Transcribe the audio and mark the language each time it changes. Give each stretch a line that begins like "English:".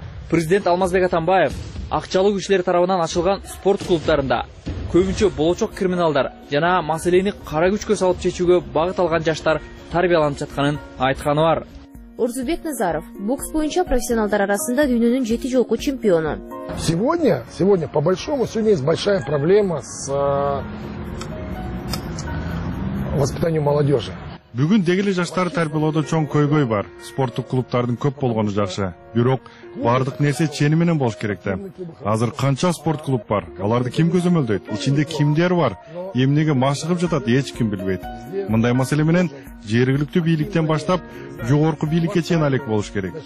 Kyrgyz: Президент Алмазбек Атамбаев акчалуу күчлөр тарабынан ачылган спорт клубтарында көбүнчө болочок криминалдар жана маселени кара күчкө салып чечүүгө багыт алган жаштар тарбияланып жатканын айтканы бар. Урзубек Назаров бокс боюнча профессионалдар арасында дүйнөнүн 7 жолку чемпиону.
Russian: Сегодня по большому сегодня есть большая проблема с воспитанием молодежи.
Kyrgyz: Бүгүн деги эле жаштарды тарбиялоодо чоң көйгөй бар. Спорттук клубтардын көп болгону жакшы. Бирок бардык нерсе чени менен болуш керек да. Азыр канча спорт клуб бар? Аларды ким көзөмөлдөйт? Ичинде кимдер бар? Эмнеге машыгып жатат? Эч ким билбейт. Мындай маселе менен жергиликтүү бийликтен баштап жогорку бийликке чейин алек болуш керек.